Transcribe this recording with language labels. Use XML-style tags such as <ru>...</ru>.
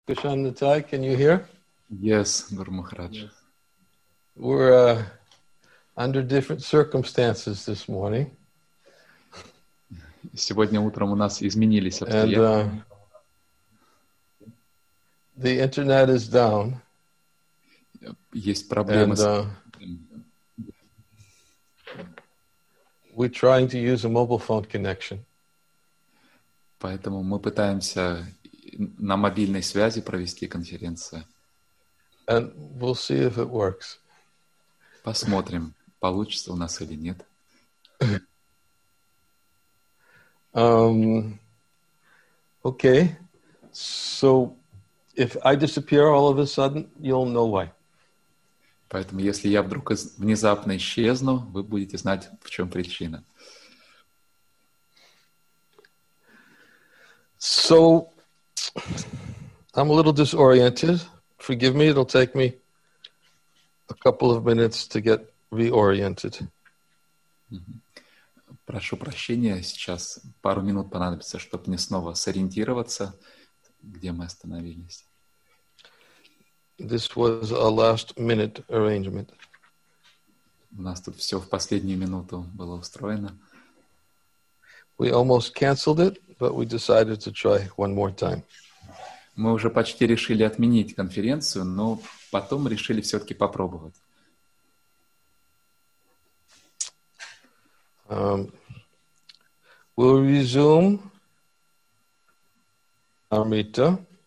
<en>Kishan Natai, can you hear? Yes, Guru Maharaj. Yes. We're under different circumstances this morning.</en> <ru>Сегодня утром у нас изменились обстоятельства.</ru> <en>The internet is down.</en> <ru>Есть проблемы с</ru> <en>We're trying to use a mobile phone connection.</en> <ru>Поэтому мы пытаемся на мобильной связи провести конференцию.</ru> <en>And we'll see if it works.</en> <ru>Посмотрим, получится у нас или нет.</ru> <en>Okay. So if I disappear all of a sudden, you'll know why.</en> <ru>Поэтому если я вдруг внезапно исчезну, вы будете знать, в чем причина.</ru> <en>So I'm a little disoriented. Forgive me, it'll take me a couple of minutes to get reoriented.</en> <ru>Прошу прощения, сейчас пару минут понадобится, чтобы мне снова сориентироваться, где мы остановились.</ru> <en>This was a last minute arrangement.</en> <ru>У нас тут все в последнюю минуту было устроено.</ru> <en>We almost canceled it, but we decided to try one more time.</en> <ru>Мы уже почти решили отменить конференцию, но потом решили все-таки попробовать.</ru> <en>We'll resume our meeting.</en>